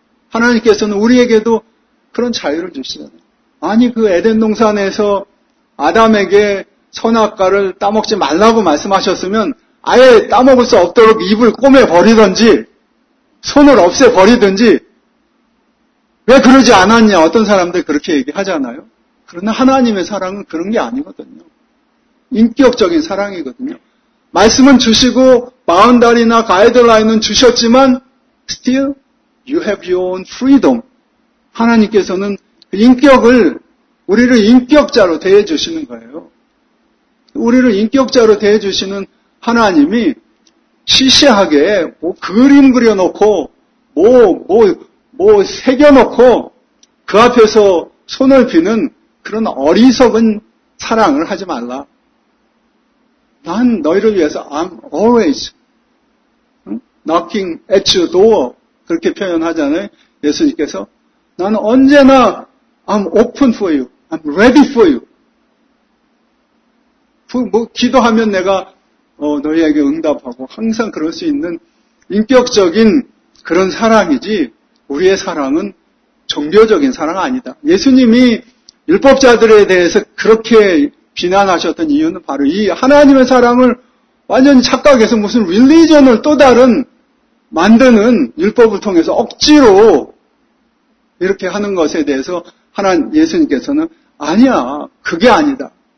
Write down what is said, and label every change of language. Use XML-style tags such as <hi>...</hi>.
<ko>하나님께서는 우리에게도 그런 자유를 주시잖아요. 아니 그 에덴 동산에서 아담에게 선악과를 따먹지 말라고 말씀하셨으면 아예 따먹을 수 없도록 입을 꼬매버리든지 손을 없애버리든지 왜 그러지 않았냐 어떤 사람들 그렇게 얘기하잖아요. 그러나 하나님의 사랑은 그런 게 아니거든요. 인격적인 사랑이거든요. 말씀은 주시고 바운더리나 가이드라인은 주셨지만</ko> <en>still you have your own freedom.</en> <ko>하나님께서는 그 인격을 우리를 인격자로 대해주시는 거예요. 우리를 인격자로 대해주시는 하나님이 시시하게 뭐 그림 그려놓고 뭐 새겨놓고 그 앞에서 손을 비는 그런 어리석은 사랑을 하지 말라. 난 너희를 위해서</ko> <en>I'm always knocking at your door</en> <ko>그렇게 표현하잖아요. 예수님께서 나는 언제나</ko> <en>I'm open for you. I'm ready for you.</en> <ko>뭐 기도하면 내가 너희에게 응답하고 항상 그럴 수 있는 인격적인 그런 사랑이지 우리의 사랑은 종교적인 사랑 아니다. 예수님이 율법자들에 대해서 그렇게 비난하셨던 이유는 바로 이 하나님의 사랑을 완전히 착각해서 무슨 릴리전을 또 다른 만드는 율법을 통해서 억지로 이렇게 하는 것에 대해서 하나님 예수님께서는 아니야, 그게 아니다.</ko>